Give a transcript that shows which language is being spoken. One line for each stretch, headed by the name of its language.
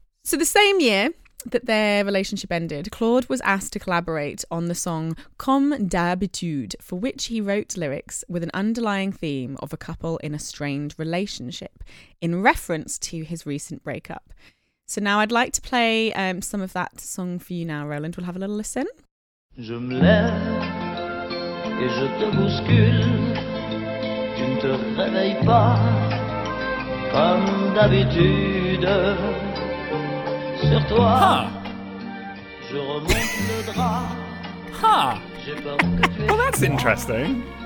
English: So the same year that their relationship ended, Claude was asked to collaborate on the song Comme d'habitude, for which he wrote lyrics with an underlying theme of a couple in a strained relationship in reference to his recent breakup. So now I'd like to play some of that song for you now, Roland. We'll have a little listen.
French: Je me lève et je te bouscule. Tu ne te réveilles pas comme d'habitude. Sur toi, je remonte le drap.
English: Well, that's interesting.